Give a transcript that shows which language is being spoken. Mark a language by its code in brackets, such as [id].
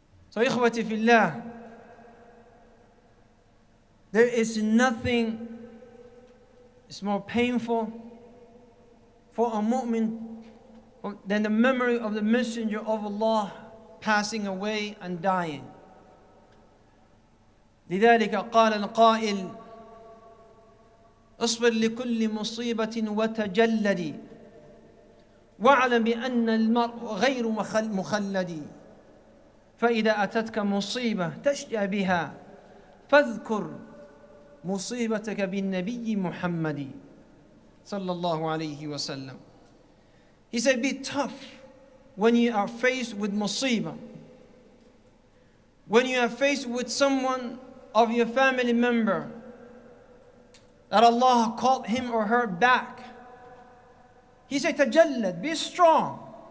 [en] So, ikhwati fillah, there is nothing is more painful for a mu'min than the memory of the messenger of Allah passing away and dying. [ar] لذلك قال القائل اصبر لكل مصيبة وتجلدي واعلم بأن المرء غير مخلدي فإذا أتتك مصيبة تشجع بها فاذكر مصيبتك بالنبي محمد صلى الله عليه وسلم. [en] He said, be tough when you are faced with musibah. When you are faced with someone of your family member that Allah called him or her back, he said, تجلد, be strong.